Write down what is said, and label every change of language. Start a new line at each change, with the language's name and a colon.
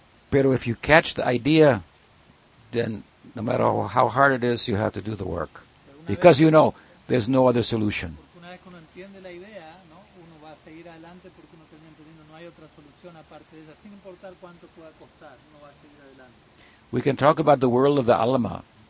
English: Pero if you catch the idea, then no matter how hard it is, you have to do the work. Because you know, there's no other solution.
Spanish: Una vez que uno entiende la idea, ¿no? Uno va a seguir adelante porque uno termina entendiendo no hay otra solución aparte de esa, sin importar cuánto pueda costar, uno va a seguir adelante.
English: We can talk about the world of the alma.